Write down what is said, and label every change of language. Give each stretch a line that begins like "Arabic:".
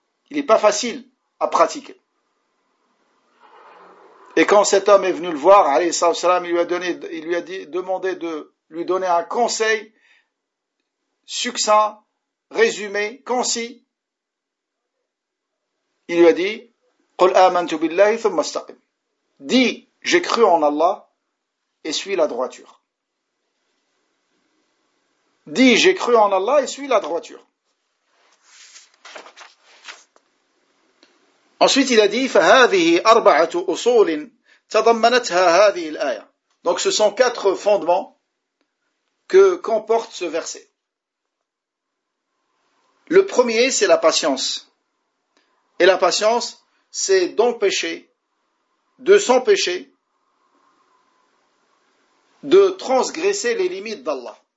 French: Il n'est pas facile à pratiquer. Et quand cet homme est venu le voir, alayhi salam, il lui a demandé de lui donner un conseil succinct, résumé, concis. Il lui a dit,
Arabic: قُلْ آمَنْتُ بِاللَّهِ ثُمَّ اسْتَقِمْ.
French: Dis, j'ai cru en Allah et suis la droiture. Dis, j'ai cru en Allah et suis la droiture. Ensuite, il a dit,
Arabic: فَهَذِهِ أَرْبَعَةُ أُصُولٍ تَضَمَّنَتْهَا هَذِهِ الْآيَةِ.
French: Donc, ce sont quatre fondements que comporte ce verset. Le premier, c'est la patience. Et la patience, c'est d'empêcher, de s'empêcher, de transgresser les limites d'Allah.